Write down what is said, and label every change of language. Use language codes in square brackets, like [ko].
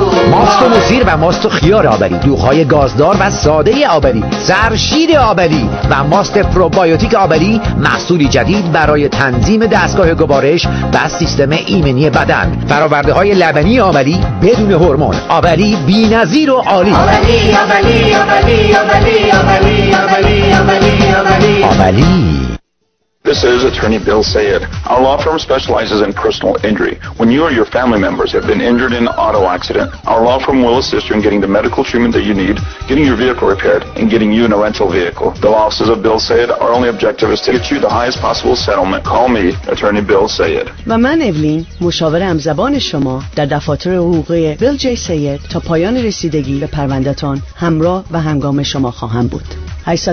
[fa] ماست و مسیر و ماست و خیار آبری، دوغ‌های گازدار و ساده آبری، سرشیر آبری و ماست پروبیوتیک آبری، محصولی جدید برای تنظیم دستگاه گوارش و سیستم ایمنی بدن. فرآورده‌های لبنی آبری بدون هورمون، آبری بی‌نظیر و عالی. آبری آبری آبری آبری آبری آبری آبری [en] This is attorney Bill Sayed. Our law firm specializes in personal injury. When you or your family members have been injured in an auto accident, our law firm will assist you in getting the medical treatment that you need, getting your vehicle repaired, and getting you in a rental vehicle. The offices of Bill Sayed, our only objective is to get you the highest possible settlement. Call me, attorney Bill Sayed. [fa] و من اولین مشاور همزبان شما در دفاتر حقوقی بیل جی سید تا پایان رسیدگی به پرونده‌تان همراه و هنگام شما خواهم بود. 818-996-3330